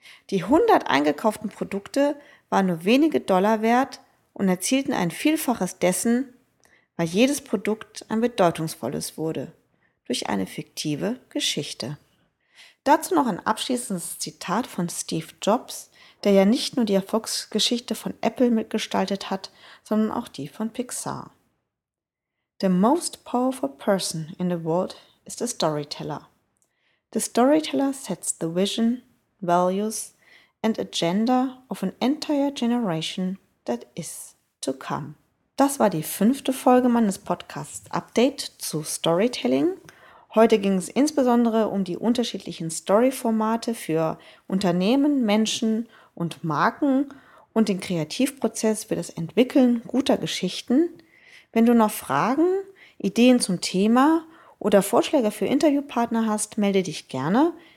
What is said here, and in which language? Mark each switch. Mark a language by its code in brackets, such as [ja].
[de] Die 100 eingekauften Produkte waren nur wenige Dollar wert und erzielten ein Vielfaches dessen, weil jedes Produkt ein bedeutungsvolles wurde, durch eine fiktive Geschichte. Dazu noch ein abschließendes Zitat von Steve Jobs, der ja nicht nur die Erfolgsgeschichte von Apple mitgestaltet hat, sondern auch die von Pixar. [en] The most powerful person in the world is the storyteller. The storyteller sets the vision, values and agenda of an entire generation that is to come. [de] Das war die 5. Folge meines Podcasts Update zu Storytelling. Heute ging es insbesondere um die unterschiedlichen Storyformate für Unternehmen, Menschen und Marken und den Kreativprozess für das Entwickeln guter Geschichten. Wenn du noch Fragen, Ideen zum Thema oder Vorschläge für Interviewpartner hast, melde dich gerne.